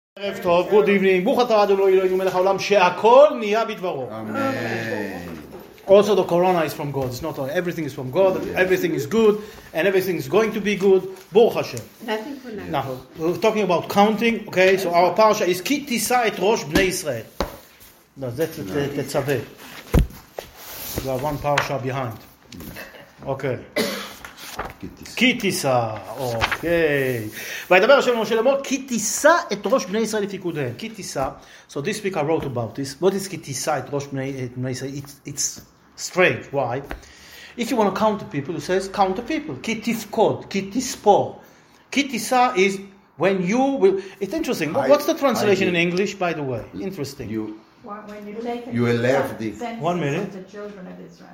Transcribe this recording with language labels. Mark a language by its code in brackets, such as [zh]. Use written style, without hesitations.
[he] ערב טוב, [en] גוד איבנינג, [he] ברוך אתה אדוני אלוהינו מלך העולם שהכל נהיה בדברו. אמן. [en] Also the corona is from God, it's not all, everything is from God, everything is good, and everything is going to be good. [he] ברוך השם. [en] Nothing for now. We're talking about counting, okay, so our parasha is [he] כי תישא את ראש בני ישראל. [en] That's it, תצווה. We have one parasha behind. Okay. קיטיסה, אוקיי. [he] וידבר השם למשה לאמור, קיטיסה את ראש בני ישראל לפיקודיהם. [en] קיטיסה, so this week I wrote about this. What is [he] קיטיסה את ראש בני ישראל? [en] It's strange, why? If you want to count the people, it says count the people. [he] קיטיפקוד, קיטיספור. [en] קיטיסה is when you will... It's interesting. What's the translation in English, by the way? Interesting. When you take a census of the children of Israel.